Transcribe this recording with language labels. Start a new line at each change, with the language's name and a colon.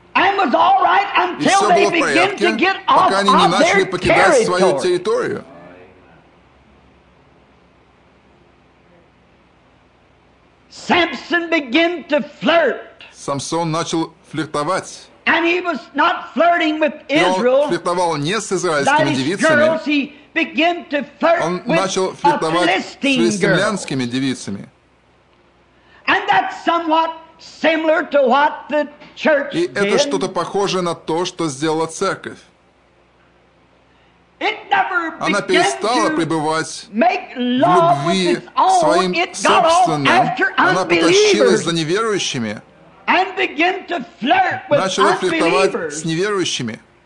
English: And was all right until they began to get off
Russian: Пока они не начали покидать свою территорию.
English: Samson began to flirt.
Russian: Самсон начал флиртовать.
English: And he was not flirting with Israel.
Russian: Он флиртовал не с израильскими девицами.
English: He began to flirt
Russian: Он начал флиртовать
English: with Philistine
Russian: с филистимлянскими девицами.
English: And that's somewhat similar to what the church
Russian: И это что-то похожее на то, что сделала церковь. Она перестала пребывать в любви своим собственным. Она потащилась за неверующими. Начала флиртовать с неверующими.